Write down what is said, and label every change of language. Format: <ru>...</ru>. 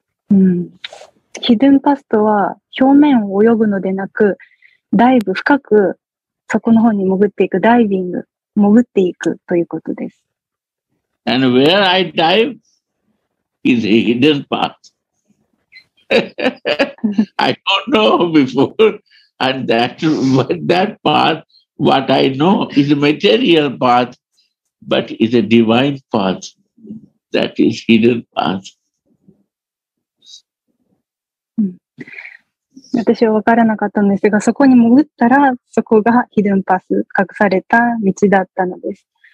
<ja>Hidden path とは表面を泳ぐのでなく、ダイブ深くそこの方に潜っていく、ダイビング潜っていくということです。</ja> <en>And where I dive is a hidden path. I don't know before, and that path, what I know is a material path. But is a divine path that is hidden path.</en> <ja>私は分からなかったんですが、そこに潜ったらそこがヒドゥンパス、隠された道だったのです。</ja>